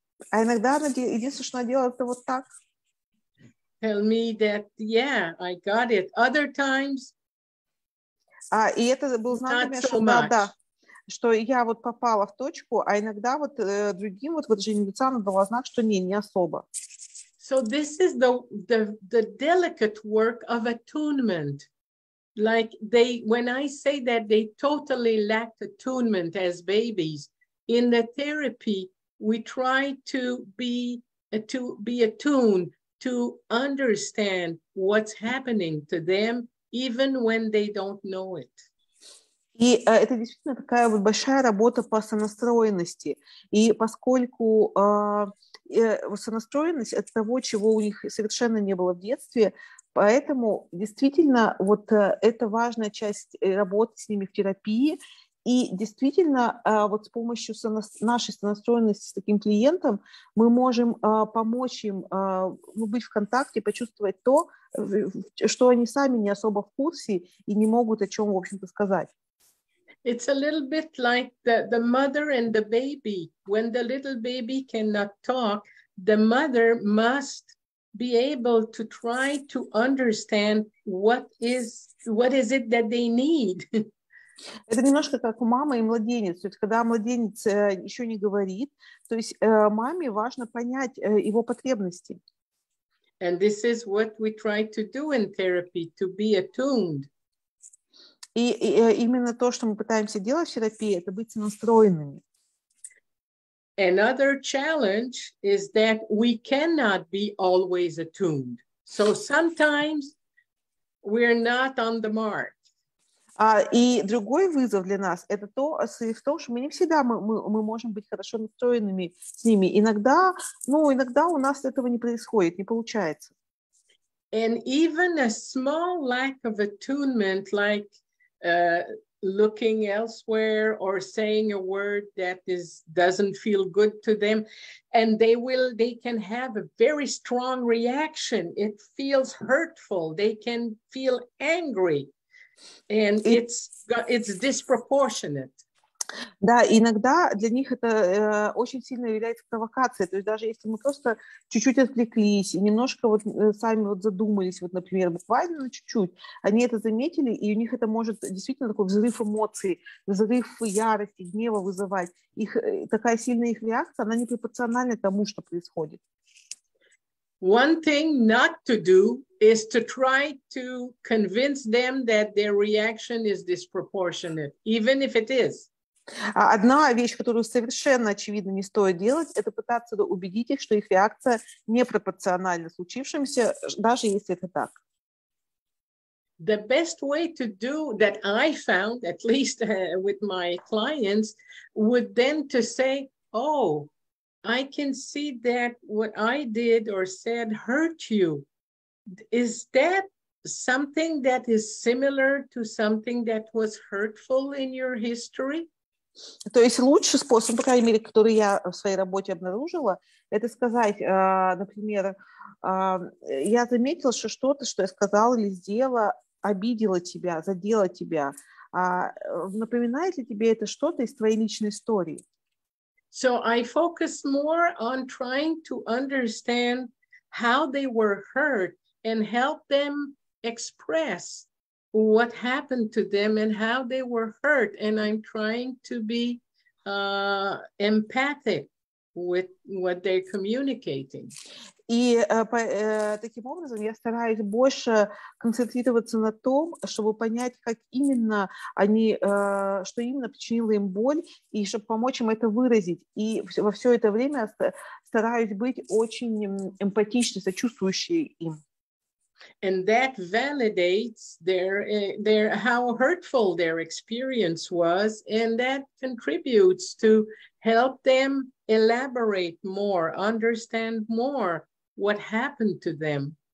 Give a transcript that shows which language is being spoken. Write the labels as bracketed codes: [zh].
[ru] А иногда она, единственное, что она делала, это вот так. [en] Tell me that, yeah, I got it. Other times, [ru] И это был знак для меня, что да, да, что я вот попала в точку, а иногда вот другим вот выражением лица она дала знак, что не особо. [en] So this is the delicate work of attunement. Like they, when I say that they totally lacked attunement as babies, in the therapy, we try to be attuned to understand what's happening to them, even when they don't know it. [ru] И это действительно такая вот большая работа по сонастроенности. И поскольку сонастроенность от того, чего у них совершенно не было в детстве, поэтому действительно вот это важная часть работы с ними в терапии. И действительно вот с помощью нашей сонастроенности с таким клиентом мы можем помочь им быть в контакте, почувствовать то, что они сами не особо в курсе и не могут о чем, в общем-то, сказать. [en] It's a little bit like the mother and the baby. When the little baby cannot talk, the mother must be able to try to understand what is it that they need. [ru] Это немножко как мама и младенец. То есть, когда младенец еще не говорит, то есть маме важно понять его потребности. [en] And this is what we try to do in therapy, to be attuned. [ru] И именно то, что мы пытаемся делать в терапии, это быть настроенными. [en] Another challenge is that we cannot be always attuned. So sometimes we're not on the mark. [ru] И другой вызов для нас это то, в том, что мы не всегда мы можем быть хорошо настроенными с ними. Иногда у нас этого не происходит, не получается. [en] And even a small lack of attunement, like looking elsewhere or saying a word that doesn't feel good to them, and they can have a very strong reaction. It feels hurtful. They can feel angry, and it's disproportionate. [ru] Да, иногда для них это очень сильно является провокацией. То есть даже если мы просто чуть-чуть отвлеклись и немножко вот сами вот задумались, вот, например, буквально чуть-чуть, они это заметили, и у них это может действительно такой взрыв эмоций, взрыв ярости, гнева вызывать. Их, такая сильная их реакция, она непропорциональна тому, что происходит. [en] One thing not to do is to try to convince them that their reaction is disproportionate, even if it is. [ru] Одна вещь, которую совершенно очевидно не стоит делать, это пытаться убедить их, что их реакция непропорциональна случившимся, даже если это так. [en] The best way to do that I found, at least with my clients, would then to say, oh, I can see that what I did or said hurt you. Is that something that is similar to something that was hurtful in your history? [ru] То есть лучший способ, по крайней мере, который я в своей работе обнаружила, это сказать, например, я заметила, что что-то, что я сказала или сделала, обидело тебя, задело тебя. Напоминает ли тебе это что-то из твоей личной истории? [en] So I focus more on trying to understand how they were hurt and help them express what happened to them and how they were hurt, and I'm trying to be empathic with what they're communicating. [ru] И таким образом я стараюсь больше концентрироваться на том, чтобы понять, как именно они, что именно причинило им боль, и чтобы помочь им это выразить. И во все это время стараюсь быть очень эмпатичной, сочувствующей им. [en] And that validates their how hurtful their experience was, and that contributes to help them elaborate more, understand more what happened to them.